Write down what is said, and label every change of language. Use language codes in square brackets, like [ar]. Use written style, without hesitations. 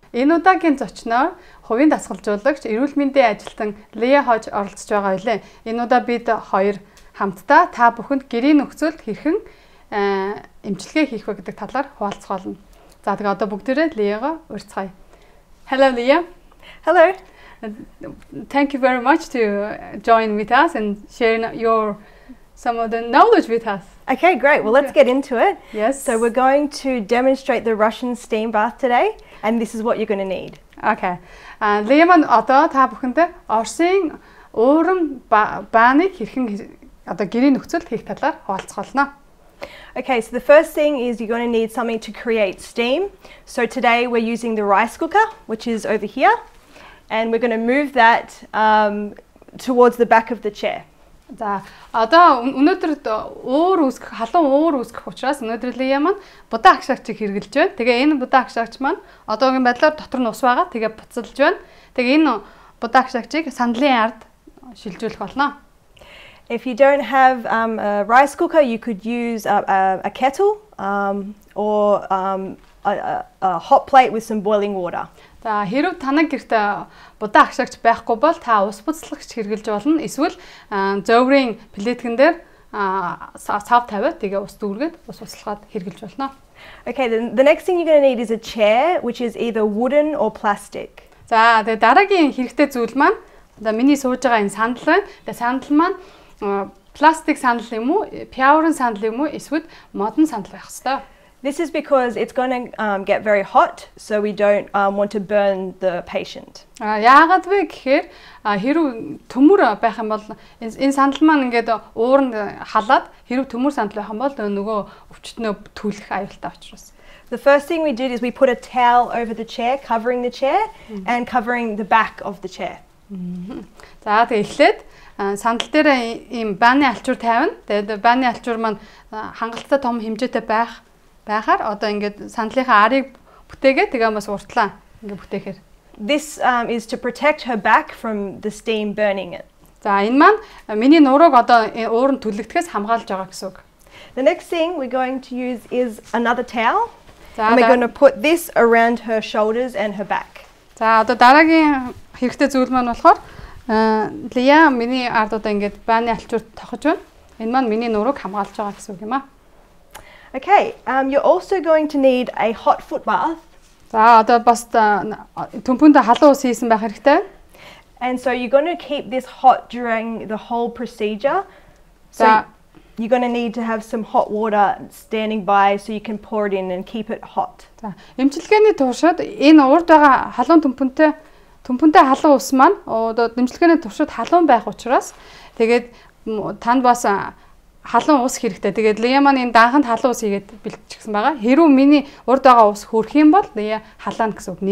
[mn] Энэ удаагийн зочноор хувийн дасгалжуулагч, эрүүл мэндийн ажилтан Лия Хож оролцож байгаа үлээ. Энэ удаа бид хоёр хамтдаа та бүхэнд гэрийн нөхцөлд хэрхэн эмчилгээ хийх вэ гэдэг талаар хуваалцах болно. За тэгээ одоо бүгдээрээ Лияго уурцгаая. [en] Hello Lia. Hello. Thank you very much to join with us and sharing your some of the knowledge with us. Okay, great. Well, let's get into it. Yes. So we're going to demonstrate the Russian steam bath today, and this is what you're going to need. Okay. [mn] Лиман одоо та бүхэндээ Оросын ууран бааны хэрхэн одоо гэрийн нөхцөлд хийх талаар хуваалцах болно. [en] Okay, so the first thing is you're going to need something to create steam. So today we're using the rice cooker, which is over here, and we're going to move that towards the back of the chair. [mn] За одоо өнөөдөр уур үүсгэх халуун уур үүсгэх учраас өнөөдөр Лия маань будаа агшаагчийг хэрглэж байна. Тэгээ энэ будаа агшаагч маань одоогийн байдлаар дотор нь ус байгаа. Тэгээ буцалж байна. Тэгээ энэ будаа агшаагчийг сандлын ард шилжүүлэх болно. [en] If you don't have a rice cooker, you could use a kettle or a hot plate with some boiling water. [mn] За хэрв танаг гэрт будаа агшаагч байхгүй бол та ус буцлагч хэрглэж болно. Эсвэл зөөврийн плитгэн дээр сав тавиад тэгээ ус дүүргээд ус буцлахад хэрглэж болно. [en] Okay, then the next thing you're going to need is a chair, which is either wooden or plastic. [mn] За тэгээ дараагийн хэрэгтэй зүйл маань за миний сууж байгаа энэ сандал байна. Тэгээ сандал маань пластик сандал юм уу? Пиаврын сандал юм уу? Эсвэл модон сандал байх хэвээр. [en] This is because it's going to get very hot, so we don't want to burn the patient. [mn] Яагаад вэ гэхээр хэрв төмөр байх юм бол энэ сандал маань ингээд ууранд халаад хэрв төмөр сандал байх юм бол нөгөө өвчтөнөө түлэх аюултай учраас. [en] The first thing we did is we put a towel over the chair, covering the chair and covering the back of the chair. [mn] За тэгээд эхлээд сандал дээр ийм бааны алчуур тавина. Тэгээд бааны алчуур маань хангалттай том хэмжээтэй байх байхаар одоо ингээд сандлынхаа арыг бүтээгээ тэгээ бас уртлаа ингээд бүтээхээр. [en] This is to protect her back from the steam burning it. [mn] За энэ маань миний нурууг одоо ууранд түлэгдэхээс хамгаалж байгаа гэсэн үг. [en] The next thing we're going to use is another towel. За we're going to put this around her shoulders and her back. [mn] За одоо дараагийн хэрэгтэй зүйл маань болохоор Лия миний ард удаа ингээд бааны алчуур тохож байна. Энэ маань миний нурууг хамгаалж байгаа гэсэн үг юм а. [en] Okay, you're also going to need a hot foot bath. [mn] За одоо бас төмпөндө халуун ус хийсэн байх хэрэгтэй. [en] And so you're going to keep this hot during the whole procedure. So you're going to need to have some hot water standing by so you can pour it in and keep it hot. [mn] За эмчилгээний туршид энэ урд байгаа халуун төмпөндө халуун ус маань одоо эмчилгээний туршид халуун байх учраас тэгээд танд бас халуун ус хэрэгтэй. Тэгээд Лиман энэ данханд халуун ус хийгээд бэлтчихсэн байгаа. Хэрвээ миний урд байгаа ус хөрөх юм бол нэ халаана гэсэн үг.